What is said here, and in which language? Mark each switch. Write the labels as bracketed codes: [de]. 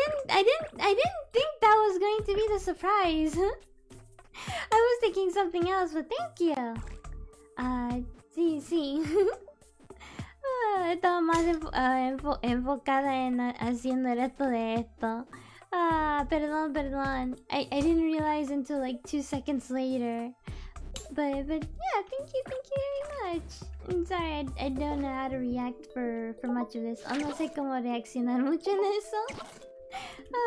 [en] I didn't think that was going to be the surprise. I was thinking something else, but thank you. [es] Sí. Estaba más enfocada en haciendo el resto de esto. Perdón. [en] I didn't realize until like 2 seconds later. But yeah, thank you very much. I'm sorry, I don't know how to react for much of this. [es] Oh, no sé cómo reaccionar mucho en eso.